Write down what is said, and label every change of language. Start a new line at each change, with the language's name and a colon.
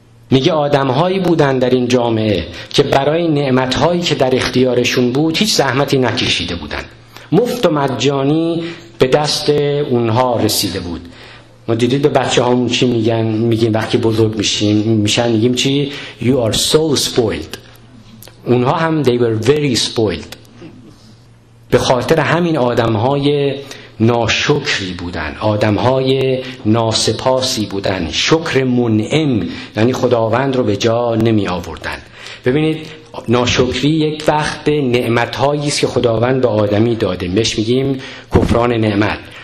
Persian: میگه آدم‌هایی بودند در این جامعه که برای نعمت‌هایی که در اختیارشون بود هیچ زحمتی نکشیده بودند. مفت و مجانی به دست اونها رسیده بود. ما دیدید به بچه‌هامون چی میگن؟ میگیم وقتی بزرگ میشیم میشن میگیم چی؟
English: You are so spoiled.
Persian: اونها هم
English: they were very spoiled.
Persian: به خاطر همین آدم‌های ناشکری بودن، آدم‌های ناسپاسی بودن، شکر منعم یعنی خداوند رو به جا نمی آوردن. ببینید ناشکری یک وقت نعمت‌هایی است که خداوند به آدمی داده، بهش میگیم کفران نعمت.